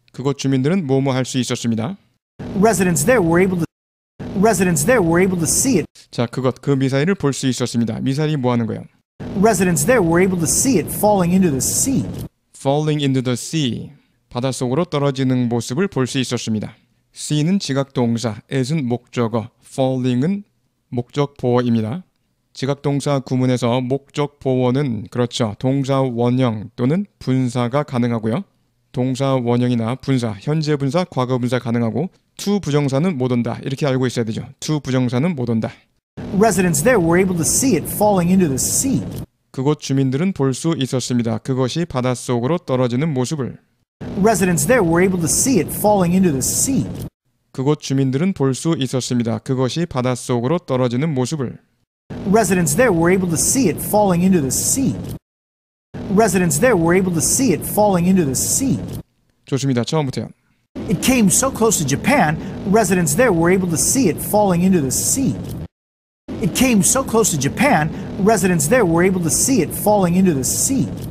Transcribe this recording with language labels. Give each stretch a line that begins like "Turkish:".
Korean: 그곳 주민들은 뭐뭐 할 수 있었습니다.
English: Residents there were able to. Residents there were able to see it.
Korean: 자, 그것 그 미사일을 볼 수 있었습니다. 미사일이 뭐 하는 거예요?
English: Residents there were able to see it falling into the sea. Falling into the sea.
Korean: 바다 속으로 떨어지는 모습을 볼 수 있었습니다. See는 지각동사, as은 목적어, falling은 목적보어입니다. 지각동사 구문에서 목적보어는 그렇죠. 동사 원형 또는 분사가 가능하고요. 동사 원형이나 분사, 현재 분사, 과거 분사 가능하고 to 부정사는 못 온다. 이렇게 알고 있어야 되죠. to 부정사는 못 온다.
English: Residents there were able to see it falling into the sea.
Korean: 그곳 주민들은 볼 수 있었습니다. 그것이 바닷속으로 떨어지는 모습을.
English: Residents there were able to see it falling into the sea.
Korean: 그곳 주민들은 볼 수 있었습니다. 그것이 바닷속으로 떨어지는 모습을.
English: Residents there were able to see it falling into the sea. Residents there were able to see it falling into the sea.
Korean: 좋습니다. 처음부터요.
English: It came so close to Japan, residents there were able to see it falling into the sea. It came so close to Japan, residents there were able to see it falling into the sea.